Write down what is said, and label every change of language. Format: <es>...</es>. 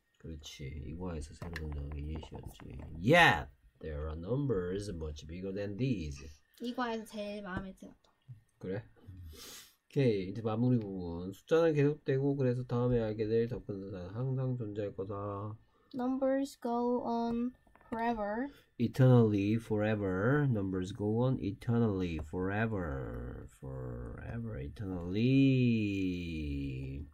<ko>그렇지 이거에서 새로 등장한 게 예시였지.</ko> <en>Yet there are numbers much bigger than these.</en> <ko>이거에서 제일 마음에 들었다. 그래? Okay, 이제 마무리 부분 숫자는 계속되고 그래서 다음에 알게 될 덕분은 항상 존재할 거다.</ko> <en>Numbers go on forever. Eternally, forever. Numbers go on eternally, forever, forever, eternally.</en>